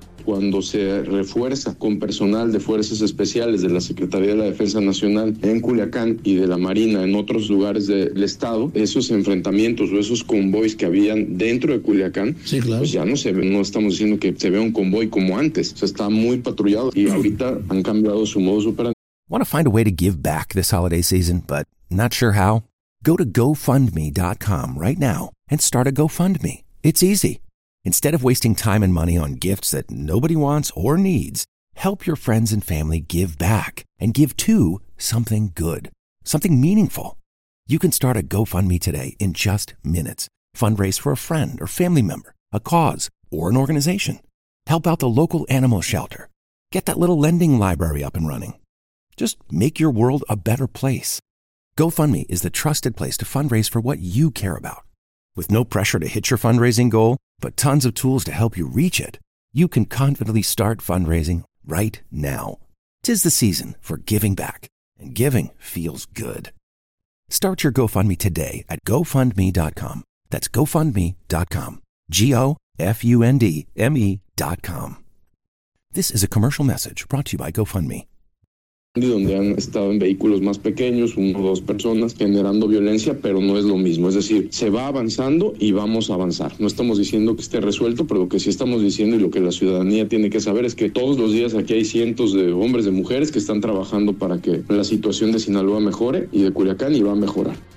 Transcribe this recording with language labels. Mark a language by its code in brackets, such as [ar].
[es] cuando se refuerza con personal de fuerzas especiales de la Secretaría de la Defensa Nacional en Culiacán y de la Marina en otros lugares del estado, esos enfrentamientos o esos convoys que habían dentro de Culiacán, sí, claro, pues ya no se ve, no estamos diciendo que se vea un convoy como antes, o sea, está muy patrullado y ahorita han cambiado su modus operandi. [en] Want to find a way to give back this holiday season, but not sure how? Go to GoFundMe.com right now and start a GoFundMe. It's easy. Instead of wasting time and money on gifts that nobody wants or needs, help your friends and family give back and give to something good, something meaningful. You can start a GoFundMe today in just minutes. Fundraise for a friend or family member, a cause, or an organization. Help out the local animal shelter. Get that little lending library up and running. Just make your world a better place. GoFundMe is the trusted place to fundraise for what you care about. With no pressure to hit your fundraising goal, but tons of tools to help you reach it, you can confidently start fundraising right now. 'Tis the season for giving back, and giving feels good. Start your GoFundMe today at GoFundMe.com. That's GoFundMe.com. GoFundMe.com. This is a commercial message brought to you by GoFundMe. [es] Donde han estado en vehículos más pequeños, uno o dos personas, generando violencia, pero no es lo mismo. Es decir, se va avanzando y vamos a avanzar. No estamos diciendo que esté resuelto, pero lo que sí estamos diciendo y lo que la ciudadanía tiene que saber es que todos los días aquí hay cientos de hombres, de mujeres que están trabajando para que la situación de Sinaloa mejore y de Culiacán, y va a mejorar.